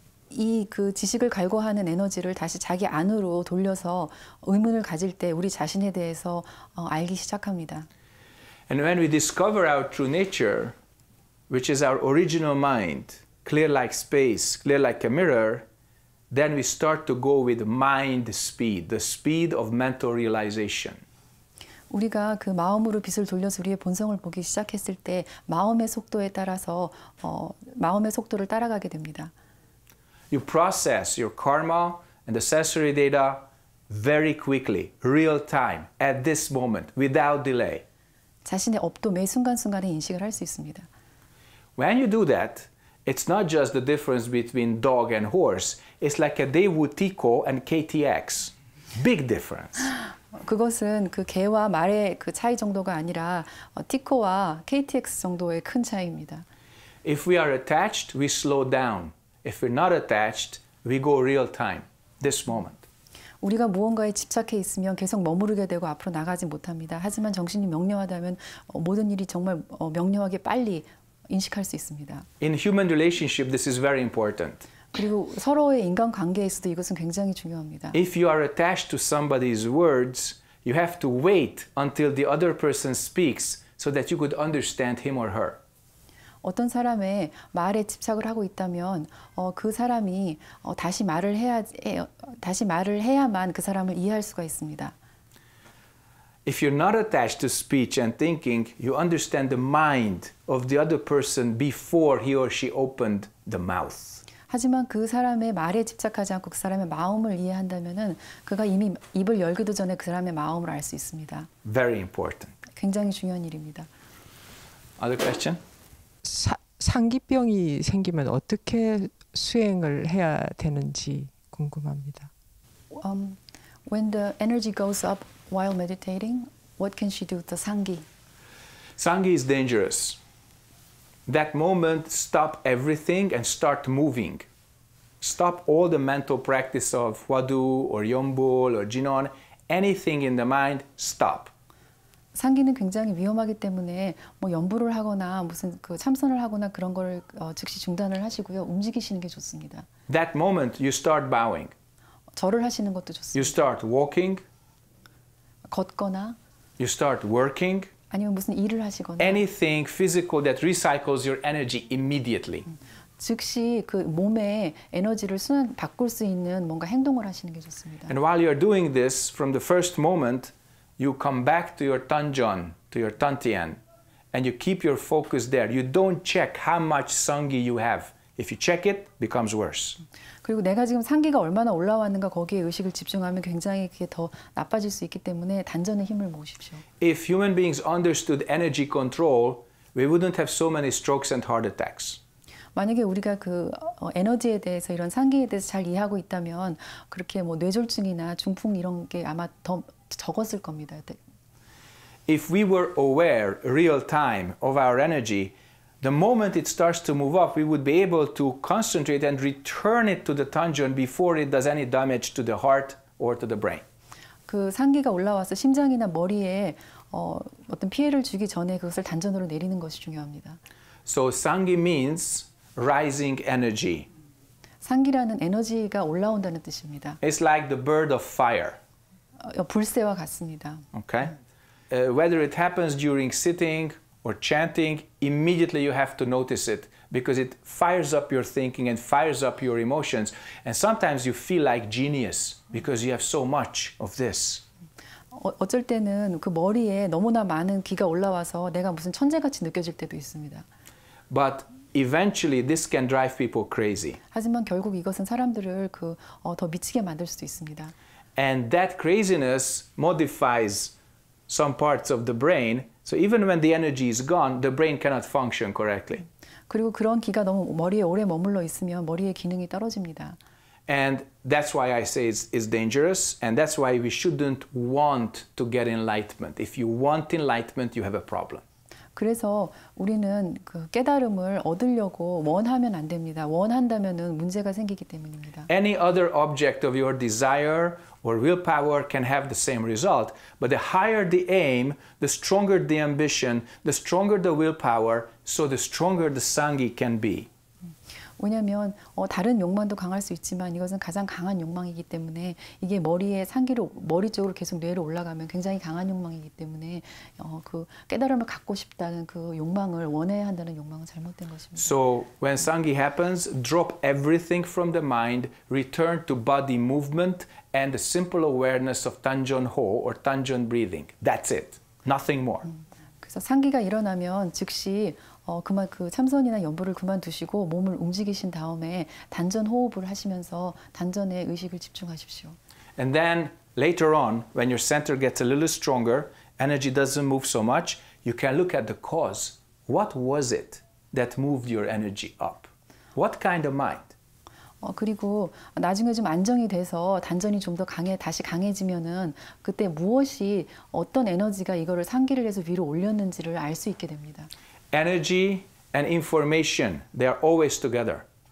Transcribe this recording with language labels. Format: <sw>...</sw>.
<ko>이 그 지식을 갈구하는 에너지를 다시 자기 안으로 돌려서 의문을 가질 때 우리 자신에 대해서 알기 시작합니다.</ko> <en>And when we discover our true nature, which is our original mind, clear like space, clear like a mirror, then we start to go with mind speed, the speed of mental realization.</en> <ko>우리가 그 마음으로 빛을 돌려서 우리의 본성을 보기 시작했을 때 마음의 속도에 따라서 마음의 속도를 따라가게 됩니다.</ko> <en>You process your karma and the sensory data very quickly, real time, at this moment, without delay.</en> <ko>자신의 업도 매 순간순간에 인식을 할 수 있습니다.</ko> <en>When you do that, it's not just the difference between dog and horse. It's like a Daewoo Tico and KTX. Big difference.</en> <ko>그것은 그 개와 말의 그 차이 정도가 아니라 티코와 KTX 정도의 큰 차이입니다.</ko> <en>If we are attached, we slow down. If we're not attached, we go real time, this moment.</en> <ko>우리가 무언가에 집착해 있으면 계속 머무르게 되고 앞으로 나가지 못합니다. 하지만 정신이 명료하다면 모든 일이 정말 명료하게 빨리 인식할 수 있습니다.</ko> <en>In human relationship, this is very important.</en> <ko>그리고 서로의 인간 관계에서도 이것은 굉장히 중요합니다.</ko> <en>If you are attached to somebody's words, you have to wait until the other person speaks so that you could understand him or her.</en> <ko>어떤 사람의 말에 집착을 하고 있다면 그 사람이 다시 말을 해야만 그 사람을 이해할 수가 있습니다.</ko> <en>If you're not attached to speech and thinking, you understand the mind of the other person before he or she opened the mouth.</en> <ko>하지만 그 사람의 말에 집착하지 않고 그 사람의 마음을 이해한다면은 그가 이미 입을 열기도 전에 그 사람의 마음을 알 수 있습니다.</ko> <en>Very important.</en> <ko>굉장히 중요한 일입니다.</ko> <en>Other question?</en> <ko>상기병이 생기면 어떻게 수행을 해야 되는지 궁금합니다.</ko> <en>When the energy goes up while meditating, what can she do with the 상기? 상기 is dangerous. That moment, stop everything and start moving. Stop all the mental practice of Wadu or Yombul or Jinon, anything in the mind, stop.</en> <ko>상기는 굉장히 위험하기 때문에 뭐 염불을 하거나 무슨 그 참선을 하거나 그런 걸 즉시 중단을 하시고요. 움직이시는 게 좋습니다.</ko> <en>That moment, you start bowing.</en> <ko>절을 하시는 것도 좋습니다.</ko> <en>You start walking.</en> <ko>걷거나</ko> <en>you start working</en> <ko>아니면 무슨 일을 하시거나</ko> <en>anything physical that recycles your energy immediately</en> <ko>즉시 그 몸에 에너지를 순환 바꿀 수 있는 뭔가 행동을 하시는 게 좋습니다.</ko> <en>And while you're doing this from the first moment you come back to your tanjon to your tantian and you keep your focus there. You don't check how much sanggi you have. If you check it, becomes worse.</en> <ko>그리고 내가 지금 상기가 얼마나 올라왔는가 거기에 의식을 집중하면 굉장히 그게 더 나빠질 수 있기 때문에 단전의 힘을 모으십시오.</ko> <en>If human beings understood energy control, we wouldn't have so many strokes and heart attacks.</en> <ko>만약에 우리가 그 에너지에 대해서 이런 상기에 대해서 잘 이해하고 있다면 그렇게 뭐 뇌졸중이나 중풍 이런 게 아마 더 적었을 겁니다.</ko> <en>If we were aware real time of our energy, the moment it starts to move up, we would be able to concentrate and return it to the tanjon before it does any damage to the heart or to the brain.</en> <ko>그 상기가 올라와서 심장이나 머리에 어떤 피해를 주기 전에 그것을 단전으로 내리는 것이 중요합니다.</ko> <en>So sanggi means rising energy.</en> <ko>상기라는 에너지가 올라온다는 뜻입니다.</ko> <en>It's like the bird of fire.</en> <ko>불새와 같습니다.</ko> <en>Okay. Whether it happens during sitting or chanting, immediately you have to notice it because it fires up your thinking and fires up your emotions. And sometimes you feel like genius because you have so much of this.</en> <ko>어쩔 때는 그 머리에 너무나 많은 기가 올라와서 내가 무슨 천재같이 느껴질 때도 있습니다.</ko> <en>But eventually this can drive people crazy.</en> <ko>하지만 결국 이것은 사람들을 그 더 미치게 만들 수도 있습니다.</ko> <en>And that craziness modifies some parts of the brain. So even when the energy is gone, the brain cannot function correctly.</en> <ko>그리고 그런 기가 너무 머리에 오래 머물러 있으면 머리의 기능이 떨어집니다.</ko> <en>And that's why I say it's dangerous. And that's why we shouldn't want to get enlightenment. If you want enlightenment, you have a problem.</en> <ko>그래서 우리는 그 깨달음을 얻으려고 원하면 안 됩니다. 원한다면은 문제가 생기기 때문입니다.</ko> <en>Any other object of your desire or willpower can have the same result, but the higher the aim, the stronger the ambition, the stronger the willpower, so the stronger the sanggi can be.</en> <ko>왜냐하면 다른 욕망도 강할 수 있지만 이것은 가장 강한 욕망이기 때문에 이게 머리에 상기로 머리 쪽으로 계속 뇌로 올라가면 굉장히 강한 욕망이기 때문에 그 깨달음을 갖고 싶다는 그 욕망을 원해야 한다는 욕망은 잘못된 것입니다.</ko> <en>So when sanggi happens, drop everything from the mind, return to body movement and the simple awareness of tanjon ho or tanjon breathing. That's it. Nothing more.</en> <ko>그래서 상기가 일어나면 즉시 그만 그 참선이나 염불을 그만두시고 몸을 움직이신 다음에 단전 호흡을 하시면서 단전의 의식을 집중하십시오.</ko> <en>And then later on, when your center gets a little stronger, energy doesn't move so much, you can look at the cause. What was it that moved your energy up? What kind of mind?</en> <ko>그리고 나중에 좀 안정이 돼서 단전이 좀 더 다시 강해지면은 그때 무엇이 어떤 에너지가 이거를 상기를 해서 위로 올렸는지를 알 수 있게 됩니다.</ko> <en>Energy and information, they are always together.</en>